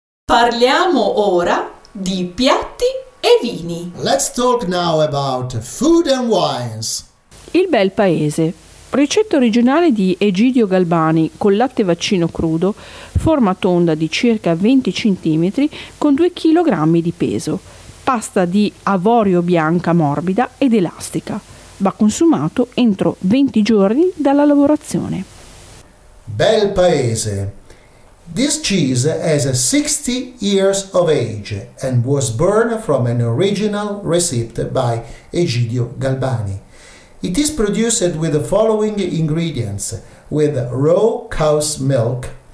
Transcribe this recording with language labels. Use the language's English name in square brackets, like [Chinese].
[Italian] parliamo ora di piatti e vini. [English] Let's talk now about food and wines. [Italian] Il bel paese. Ricetta originale di Egidio Galbani con latte vaccino crudo, forma tonda di circa 20 cm con 2 kg di peso. Pasta di avorio bianca morbida ed elastica. Va consumato entro 20 giorni dalla lavorazione. Bel paese. [English] This cheese has 60 years of age and was born from an original recipe by Egidio Galbani. It is produced with the following ingredients: with raw cow's milk.